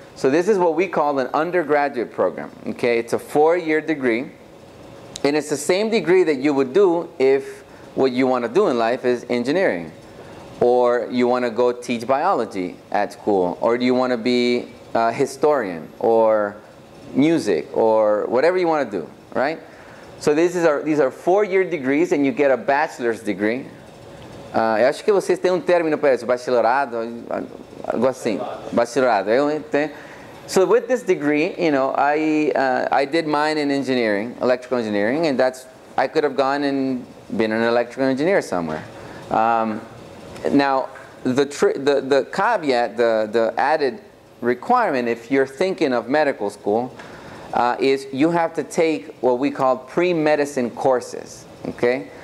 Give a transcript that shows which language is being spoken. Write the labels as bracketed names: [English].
[English] So this is what we call an undergraduate program, okay? It's a 4-year degree, and it's the same degree that you would do if what you want to do in life is engineering, or you want to go teach biology at school, or do you want to be a historian, or music, or whatever you want to do, right? So these are 4-year degrees, and you get a bachelor's degree. [Portuguese] Eu acho que vocês têm um término para isso, bachelorado, algo assim, bachelorado. [English] So with this degree, you know, I did mine in engineering, electrical engineering, and that's, I could have gone and been an electrical engineer somewhere. Now, the caveat, the added requirement, if you're thinking of medical school, is you have to take what we call pre-medicine courses, okay?